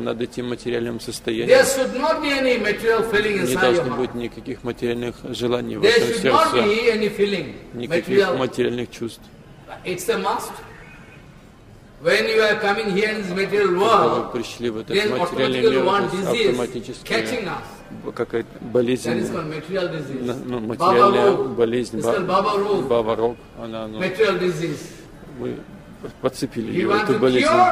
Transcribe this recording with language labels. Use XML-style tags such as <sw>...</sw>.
<ru>над этим материальным состоянием, не должно быть никаких материальных желаний в вашем сердце, никаких материальных чувств.</ru> <en>It's a must. When you are coming here in this material world,</en> <ru>вы пришли в этот материальный мир, автоматически какая-то болезнь, материальная болезнь, баба-рог, мы подцепили ее, эту болезнь.</ru>